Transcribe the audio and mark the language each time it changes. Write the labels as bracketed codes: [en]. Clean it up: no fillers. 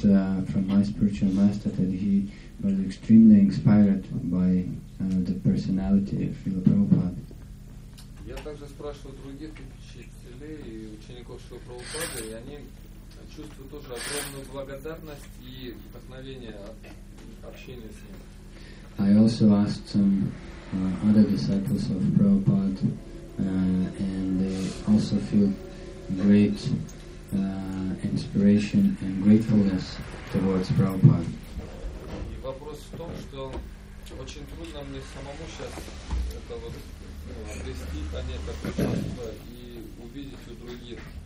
[en] from my spiritual master that he was extremely inspired by the personality of Srila Prabhupada. [ru] Я также спрашивал других учителей и учеников Шрилы Прабхупады, и они чувствую тоже огромную благодарность и вдохновение от общения с ним. [en] I also asked some other disciples of Prabhupada and they also feel great inspiration and gratefulness towards Prabhupada. [ru] И вопрос в том, что очень трудно мне самому сейчас это обрести, понять такое чувство и увидеть у других.